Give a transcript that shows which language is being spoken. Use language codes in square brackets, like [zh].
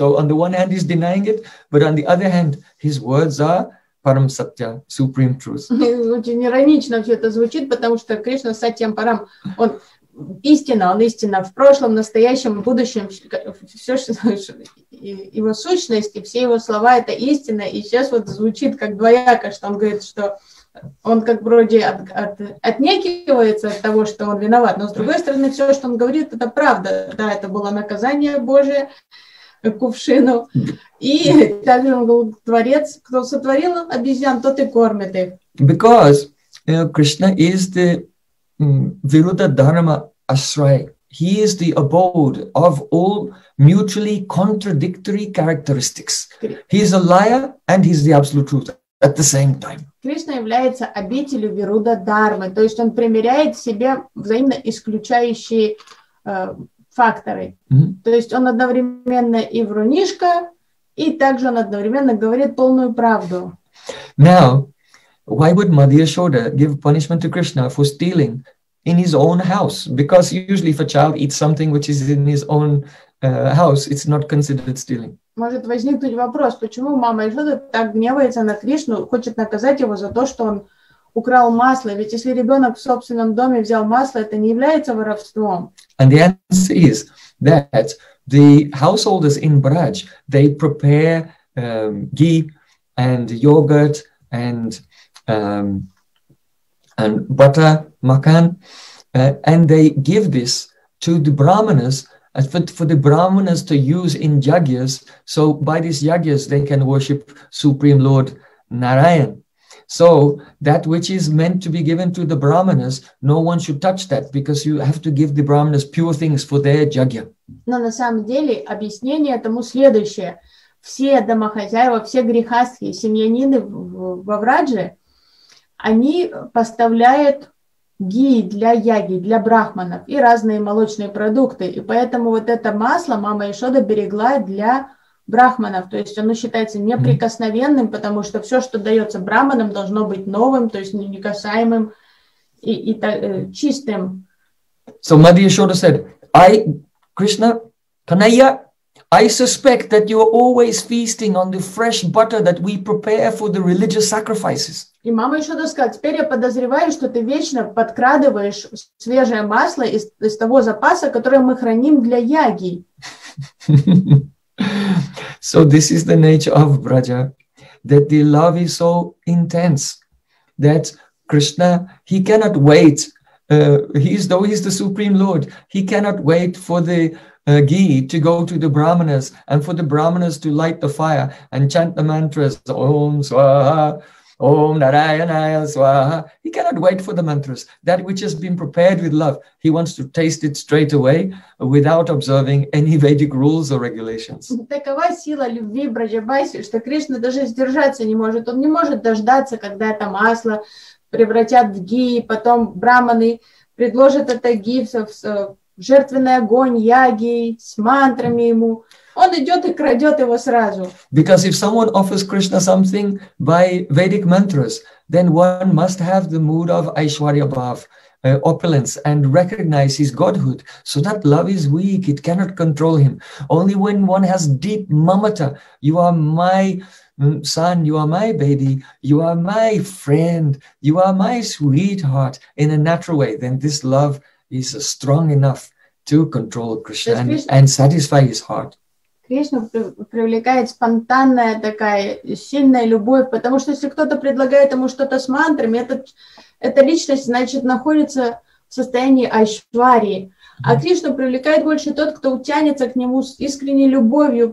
[en] So on the one hand, he's denying it, but on the other hand, his words are param satya, supreme truth. [ru] Очень иронично все это звучит, потому что Кришна сатьям парам, он истина в прошлом, настоящем, будущем, все, что его сущность и все его слова – это истина. И сейчас вот звучит как двояко, что он говорит, что он как вроде отнекивается от того, что он виноват, но с другой стороны, все, что он говорит, это правда. Да, это было наказание Божие кувшину. И также он был творец, кто сотворил обезьян, тот и кормит их. [en] Because Krishna is the Viruddha Dharma Ashray. He is the abode of all mutually contradictory characteristics. He is a liar and he is the absolute truth at the same time. [ru] Кришна является обителью Вируда Дармы, то есть он примиряет в себе взаимно исключающие факторы. Mm-hmm. То есть он одновременно и врунишка, и также он одновременно говорит полную правду. [en] Now, why would Madhya Yashoda give punishment to Krishna for stealing in his own house? Because usually if a child eats something which is in his own house, it's not considered stealing. [ru] Может возникнуть вопрос, почему мама Ишода так гневается на Кришну, хочет наказать его за то, что он украл масло. Ведь если ребенок в собственном доме взял масло, это не является воровством. [en] And the answer is that the householders in Braj, they prepare ghee and yogurt and butter, makan, and they give this to the brahmanas, as for the brahmanas to use in yagyas, so by these yagyas they can worship Supreme Lord Narayan. So that which is meant to be given to the brahmanas, no one should touch that, because you have to give the brahmanas pure things for their yagya. [ru] Но на самом деле объяснение этому следующее: все домохозяева, все грихасхи, семьянины во Врадже, они поставляют ги для яги, для брахманов и разные молочные продукты. И поэтому вот это масло мама Ишода берегла для брахманов. То есть оно считается неприкосновенным, потому что все, что дается брахманам, должно быть новым, то есть некасаемым и чистым. [en] So Madhya Yashoda said, Krishna, Kanaya, I suspect that you are always feasting on the fresh butter that we prepare for the religious sacrifices. [ru] И мама еще доска, теперь я подозреваю, что ты вечно подкрадываешь свежее масло из того запаса, которое мы храним для яги. [en] So this is the nature of Braja, that the love is so intense that Krishna, he cannot wait. He's the Supreme Lord. He cannot wait for the ghee to go to the brahmanas and for the brahmanas to light the fire and chant the mantras, Om Swaha, Om Narayanaya Swaha. He cannot wait for the mantras. That which has been prepared with love, he wants to taste it straight away without observing any Vedic rules or regulations. [ru] Такова сила любви Браджабаси, что Кришна даже сдержаться не может. Он не может дождаться, когда это масло превратят в ги, потом браманы предложат это ги в жертвенный огонь яги с мантрами ему. Он идет и крадет его сразу. [en] Because if someone offers Krishna something by Vedic mantras, then one must have the mood of Aishwarya Bhav, opulence, and recognize his godhood. So that love is weak, it cannot control him. Only when one has deep mamata, you are my son, you are my baby, you are my friend, you are my sweetheart in a natural way, then this love is strong enough to control Krishna and satisfy his heart. [ru] Кришна привлекает спонтанная такая сильная любовь, потому что если кто-то предлагает ему что-то с мантрами, эта личность, значит, находится в состоянии айшварии. А Кришну привлекает больше тот, кто утянется к нему с искренней любовью.